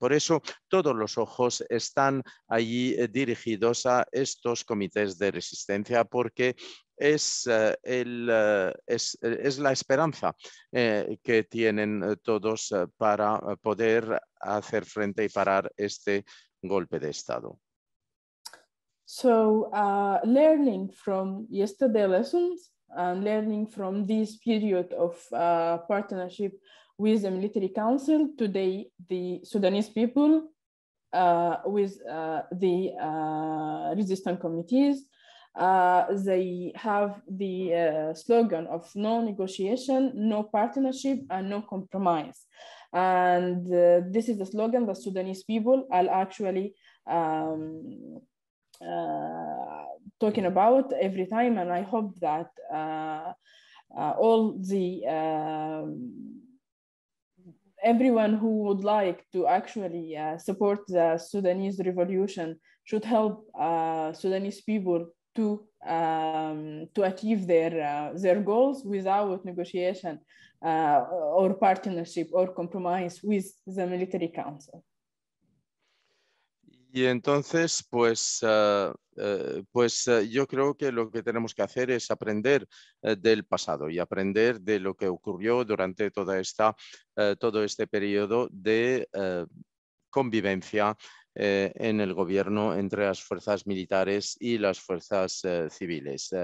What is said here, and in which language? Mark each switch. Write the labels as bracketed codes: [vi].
[es] Por eso, todos los ojos están allí dirigidos a estos comités de resistencia, porque es la esperanza que tienen todos para poder hacer frente y parar este golpe de Estado. [en] So, learning from yesterday lessons and learning from this period of partnership with the military council, today the Sudanese people with the resistance committees, they have the slogan of no negotiation, no partnership, and no compromise. And this is the slogan that Sudanese people are actually talking about every time. And I hope that all the everyone who would like to actually support the Sudanese revolution should help Sudanese people to achieve their goals without negotiation or partnership or compromise with the military council. [es] Y entonces, pues yo creo que lo que tenemos que hacer es aprender del pasado y aprender de lo que ocurrió durante todo este periodo de convivencia en el gobierno entre las fuerzas militares y las fuerzas civiles.